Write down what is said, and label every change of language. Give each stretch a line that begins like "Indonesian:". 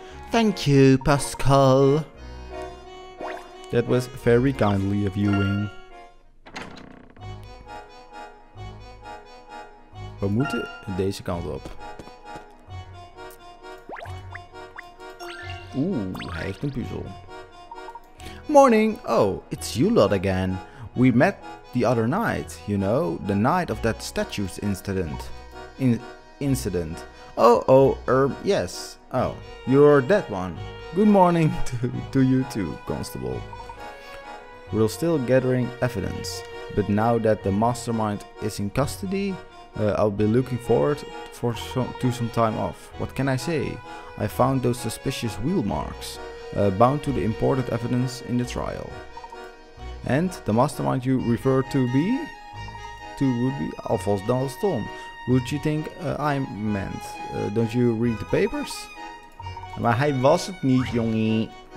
English: Thank you, Pascal. That was very kindly of you, Wing.
Dutch: We moeten deze kant op. Oeh, hij heeft een puzzel.
English: Morning! Oh, it's you lot again. We met the other night, you know, the night of that statues incident. Incident. Yes. Oh, you're that one. Good morning to you too, Constable. We're still gathering evidence, but now that the mastermind is in custody, I'll be looking forward to some time off. What can I say? I found those suspicious wheel marks, bound to the important evidence in the trial. And the mastermind you refer to would be Alphonse Dalston. Would you think I meant? Don't you read the papers?
Dutch: Maar hij was het niet, jongen.